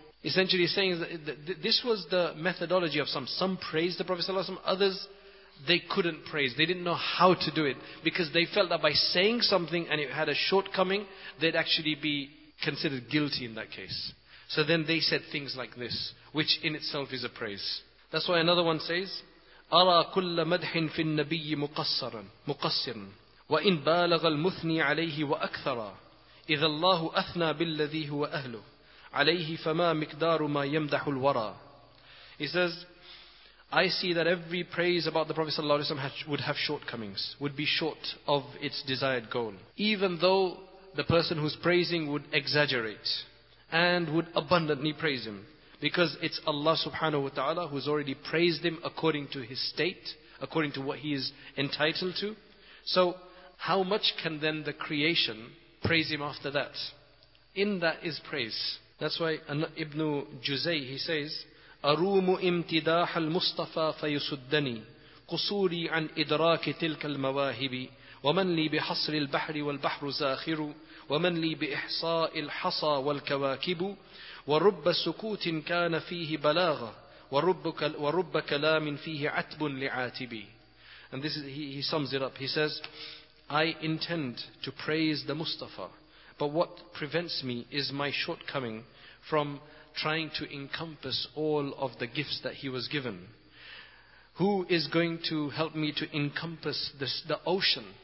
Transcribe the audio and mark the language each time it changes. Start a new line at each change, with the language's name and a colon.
English: Essentially saying that this was the methodology of some. Some praised the Prophet ﷺ, others they couldn't praise. They didn't know how to do it, because they felt that by saying something and it had a shortcoming, they'd actually be considered guilty in that case. So then they said things like this, which in itself is a praise. That's why another one says,
Arabic: أَرَى كُلَّ مَدْحٍ فِي النَّبِيِّ مُقَصِّرًا وَإِنْ بَالَغَ الْمُثْنِي عَلَيْهِ وَأَكْثَرًا إِذَا اللَّهُ أَثْنَى بِالَّذِي هُوَ أَهْلُهُ عليه فما مقدار ما يمدح الورى.
English: He says, I see that every praise about the Prophet sallallahu alaihi wasallam would have shortcomings, would be short of its desired goal, even though the person who's praising would exaggerate and would abundantly praise him, because it's Allah subhanahu wa ta'ala who's already praised him according to his state, according to what he is entitled to. So how much can then the creation praise him after that? In that is praise. That's why Ibn Juzay, he says,
Arabic: أَرُومُ إِمْتِدَاحَ الْمُصْطَفَى فَيُسُدَّنِي قُصُورِي عَنْ إِدْرَاكِ تِلْكَ الْمَوَاهِبِ وَمَنْ لِي بِحَصْرِ الْبَحْرِ وَالْبَحْرُ زَاخِرُ وَمَنْ لِي بِإِحْصَاءِ الْحَصَى وَالْكَوَاكِبُ وَرُبَّ سُكُوتٍ كَانَ فِيهِ بَلَاغَ وَرُبَّ كَلَامٍ فِيهِ عَتْبٌ لِعَاتِبِي.
English: And this is, he sums it up. He says, I intend to praise the Mustafa, but what prevents me is my shortcoming from trying to encompass all of the gifts that he was given. Who is going to help me to encompass this, the ocean?